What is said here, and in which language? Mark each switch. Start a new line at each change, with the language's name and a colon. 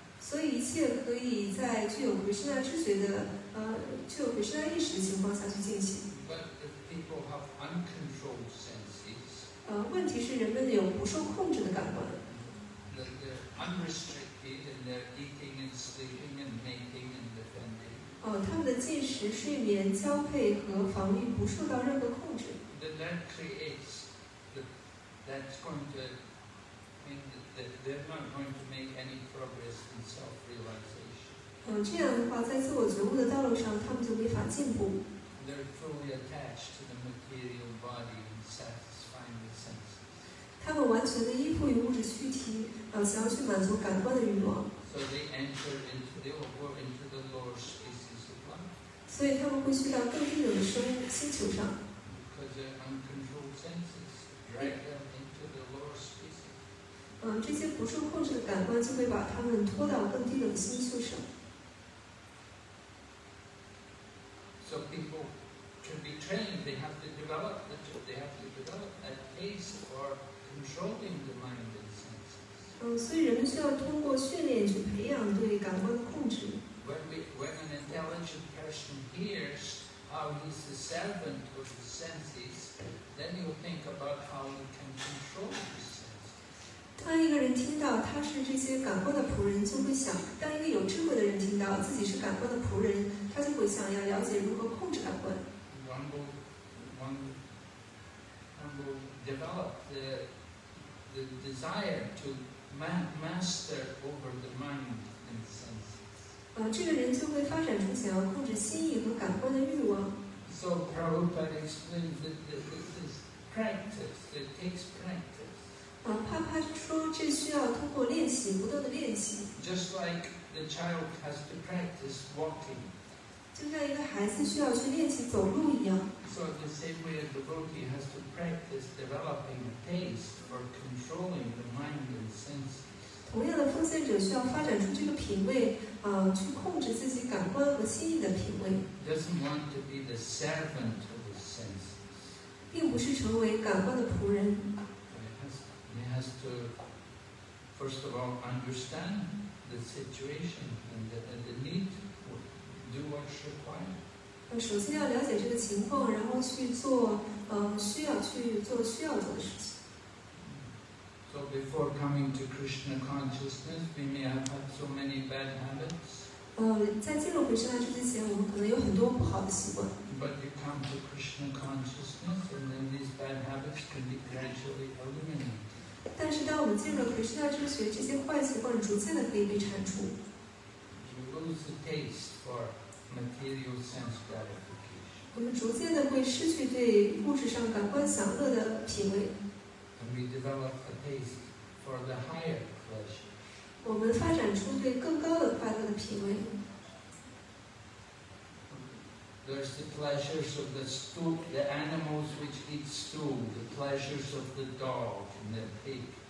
Chinese: 所以一切可以在具有回向之觉的具有回向意识的情况下去进行。
English: But if people have uncontrolled senses,
Chinese: 问题是人们有不受控制的感官。
English: The unrestricted feet and their eating and sleeping and mating and defending.
Chinese: 他们的进食、睡眠、交配和防御不受到任何控制。
English: Then that creates the, that's going to mean that they're not going to make any progress in self-realization.
Chinese: 这样的话，在自我觉悟的道路上，他们就没法进步。
English: They're fully attached to the material body and satisfying the senses.
Chinese: 他们完全的依附于物质躯体，想要去满足感官的欲望。
English: So they enter into the or into the lower species of life.
Chinese: 所以他们会去到更低等的生物星球上。
English: Because their uncontrolled senses drag them into the lower species.
Chinese: 这些不受控制的感官就会把他们拖到更低等的星球上。
English: So people to be trained, they have to develop that, they have to develop that pace for controlling the mind and senses.
Chinese: 所以人们需要通过训练去培养对感官的控制。
English: When an intelligent person hears how he's the servant of the senses, then he'll think about how he can control his senses.
Chinese: 当一个人听到他是这些感官的仆人，就会想，当一个有智慧的人听到自己是感官的仆人，他就会想要了解如何控制感官。
English: One will develop the desire to master over the mind and senses.
Chinese: 这个人就会发展出想要控制心意和感官的欲望。
English: So Prabhupada explains that this is practice. It takes practice.
Chinese: 帕帕说这需要通过练习，不断的练习。
English: Just like the child has to practice walking.
Chinese: 就像一个孩子需要去练习走路一样。
English: So the same way a devotee has to practice developing a taste for controlling the mind and senses.
Chinese: 同样的，奉献者需要发展出这个品味，去控制自己感官和心意的品味。
English: Doesn't want to be the servant of the senses.
Chinese: 并不是成为感官的仆人。
English: He has to, first of all, understand the situation and the need. Do what's required.
Chinese: 首先要了解这个情况，然后去做，需要做的事情。
English: So before coming to Krishna consciousness, we may have had so many bad habits.
Chinese: 在进入回声来之前，我们可能有很多不好的习惯。
English: But you come to Krishna consciousness, and then these bad habits can be gradually eliminated.
Chinese: 但是当我们进入回声来之学，这些坏习惯逐渐的可以被铲除。
English: You lose the taste for material sense gratification.
Chinese: 我们逐渐的会失去对物质上感官享乐的品味。
English: And we develop a taste for the higher pleasure.
Chinese: 我们发展出对更高的快乐的品味。
English: There's the pleasures of the stool, the animals which eat stool, the pleasures of the dog and the pig.